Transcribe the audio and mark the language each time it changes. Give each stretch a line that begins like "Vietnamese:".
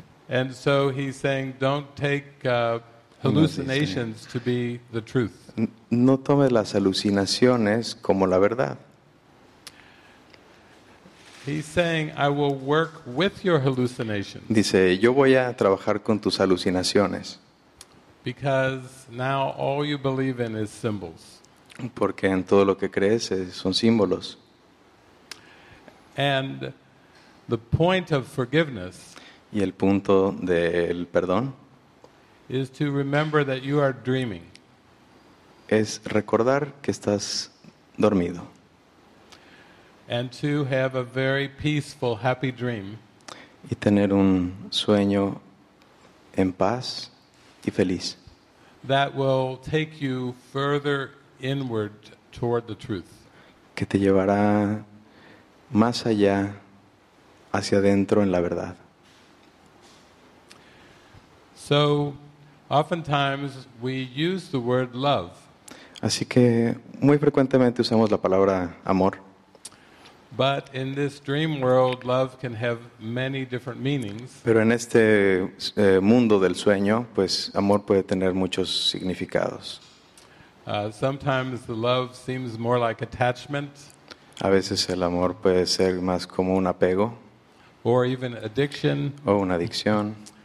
English: And so he's saying, don't take hallucinations to be the truth.
Spanish: No tomes las alucinaciones como la verdad.
English: He's saying, I will work with your hallucinations.
Spanish: Dice, yo voy a trabajar con tus alucinaciones.
English: Because now all you believe in is symbols.
Spanish: Porque en todo lo que crees son símbolos.
English: And the point of forgiveness.
Spanish: Y el punto del perdón.
English: Is to remember that you are dreaming.
Spanish: Es recordar que estás dormido.
English: And to have a very peaceful, happy dream.
Spanish: Y tener un sueño en paz y feliz.
English: That will take you further inward toward the truth.
Spanish: Que te llevará más allá, hacia adentro en la verdad.
English: So, oftentimes we use the word love.
Spanish: Así que muy frecuentemente usamos la palabra amor.
English: But in this dream world, love can have many different meanings.
Spanish: Pero en este mundo del sueño, pues amor puede tener muchos significados.
English: Sometimes the love seems more like attachment.
Spanish: A veces el amor puede ser más como un apego.
English: Or even addiction.
Spanish: O una adicción.